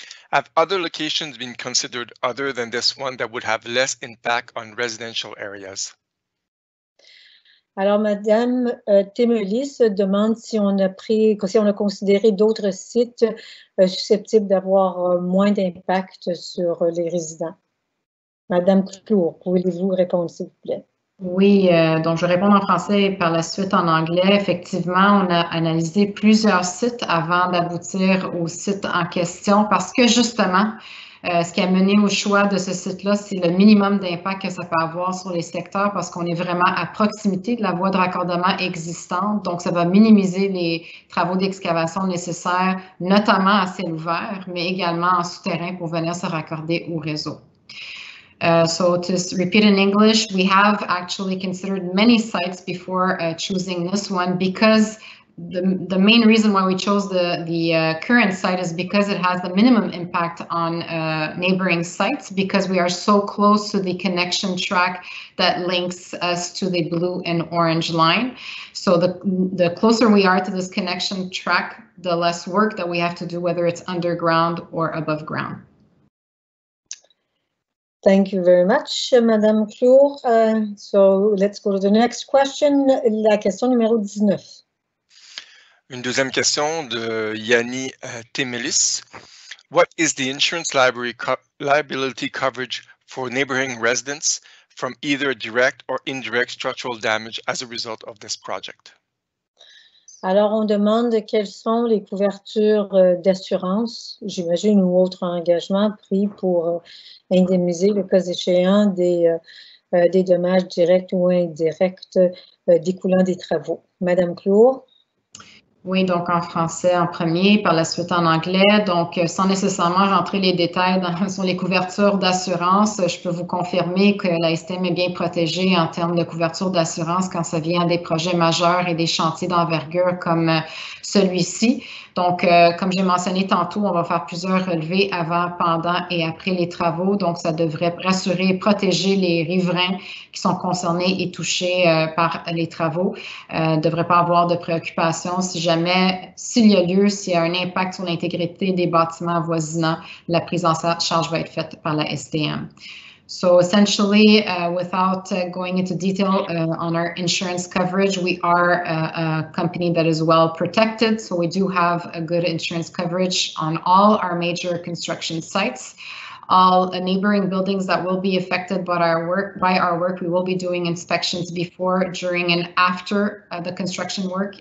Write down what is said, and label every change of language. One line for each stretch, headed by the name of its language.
English: Have other locations been considered other than this one that would have less impact on residential areas?
French: Alors, Madame Temelis demande si on a considéré d'autres sites susceptibles d'avoir moins d'impact sur les résidents. Madame Clour, pouvez-vous répondre, s'il vous plaît? Oui, donc je réponds en français et par la suite en anglais. Effectivement, on a analysé plusieurs sites avant d'aboutir au site en question parce que justement, ce qui a mené au choix de ce site-là, c'est le minimum d'impact que ça peut avoir sur les secteurs parce qu'on est vraiment à proximité de la voie de raccordement existante. Donc, ça va minimiser les travaux d'excavation nécessaires, notamment à ciel ouvert, mais également en souterrain pour venir se raccorder au réseau.
English: So to repeat in English, we have actually considered many sites before choosing this one, because the main reason why we chose the current site is because it has the minimum impact on neighboring sites, because we are so close to the connection track that links us to the blue and orange line. So the closer we are to this connection track, the less work that we have to do, whether it's underground or above ground. Thank you very much, Madame Clour. So let's go to the next question,
French: la question numéro 19. Une deuxième question de Yanni Temelis.
English: What is the insurance liability coverage for neighboring residents from either direct or indirect structural damage as a result of this project?
French: Alors, on demande quelles sont les couvertures d'assurance, j'imagine, ou autres engagements pris pour indemniser le cas échéant des dommages directs ou indirects découlant des travaux. Madame Clour. Oui, donc en français en premier, par la suite en anglais. Donc, sans nécessairement rentrer les détails sur les couvertures d'assurance, je peux vous confirmer que la STM est bien protégée en termes de couverture d'assurance quand ça vient à des projets majeurs et des chantiers d'envergure comme celui-ci. Donc, comme j'ai mentionné tantôt, on va faire plusieurs relevés avant, pendant et après les travaux. Donc, ça devrait rassurer et protéger les riverains qui sont concernés et touchés par les travaux. Il ne devrait pas avoir de préoccupation si jamais, s'il y a lieu, s'il y a un impact sur l'intégrité des bâtiments avoisinants, la prise en charge va être faite par la STM.
English: So essentially, without going into detail on our insurance coverage, we are a company that is well protected. So we do have a good insurance coverage on all our major construction sites. All neighboring buildings that will be affected by our work, we will be doing inspections before, during, and after the construction work.